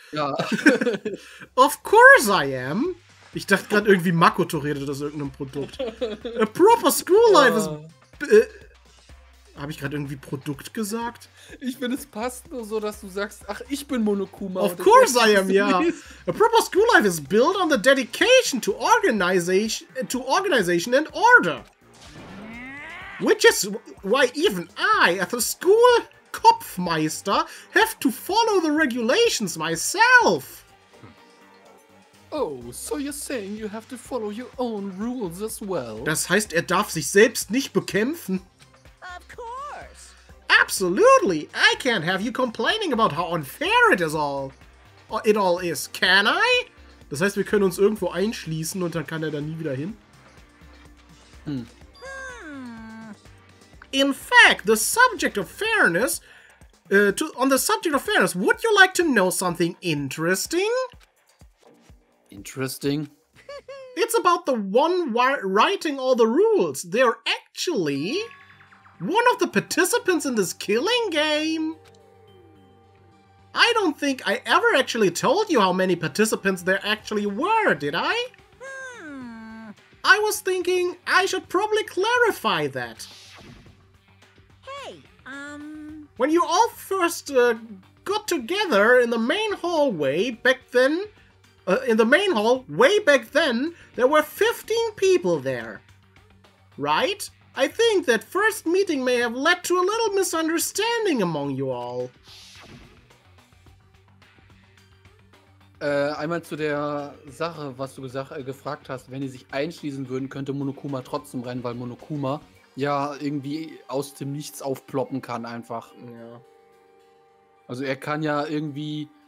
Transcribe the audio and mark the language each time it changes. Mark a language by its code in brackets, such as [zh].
[de] Ja. [en] Of course I am. [de] Ich dachte gerade irgendwie, Makoto redet aus irgendeinem Produkt. [en] A proper school life is... [de] Habe ich gerade irgendwie Produkt gesagt? Ich finde, es passt nur so, dass du sagst, ach, ich bin Monokuma. [en] Of course I am, ja. Yeah. A proper school life is built on the dedication to organization and order. Which is why even I, as a school Kopfmeister, have to follow the regulations myself. Oh, so you're saying you have to follow your own rules as well? [de] Das heißt, er darf sich selbst nicht bekämpfen? [en] Of course! Absolutely! I can't have you complaining about how unfair it all is, can I? [de] Das heißt, wir können uns irgendwo einschließen und dann kann er da nie wieder hin? [en] In fact, the subject of fairness... would you like to know something interesting? Interesting. It's about the one writing all the rules. They're actually one of the participants in this killing game. I don't think I ever actually told you how many participants there actually were, did I? I was thinking I should probably clarify that. Hey, when you all first got together in the main hallway back then, there were 15 people there, right? I think that first meeting may have led to a little misunderstanding among you all. [de] Einmal zu der Sache, was du gefragt hast, wenn die sich einschließen würden, könnte Monokuma trotzdem rennen, weil Monokuma ja irgendwie aus dem Nichts aufploppen kann einfach. Ja. Also er kann ja irgendwie...